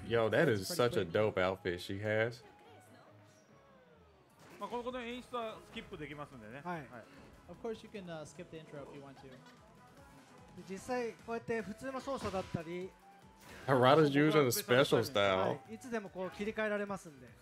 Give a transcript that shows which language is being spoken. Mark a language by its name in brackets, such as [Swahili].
[English] Yo, that is such a dope outfit she has. [Japanese] まあ、この演出はスキップできますんでね。はい。はい、 [English] of course you can skip the intro if you want to. [Japanese] 実際こうやって普通の操作だったり、 [English] Harada's using a special style.、 [Japanese] はい、いつでもこう切り替えられますんで。